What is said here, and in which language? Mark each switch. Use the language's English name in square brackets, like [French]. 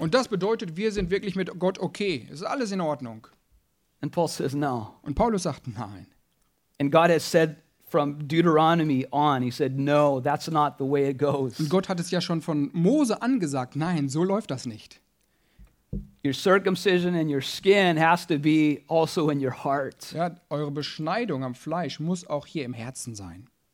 [German] Und das bedeutet, wir sind wirklich mit Gott okay. Es ist alles in Ordnung. [English] And Paul says no. [German] Und Paulus sagt nein. [English] And God has said from Deuteronomy on, he said, no, that's not the way it goes. [German] Und Gott hat es ja schon von Mose an gesagt, nein, so läuft das nicht. [English] Your circumcision in your skin has to be also in your heart. [German] Ja, eure Beschneidung am Fleisch muss auch hier im Herzen sein.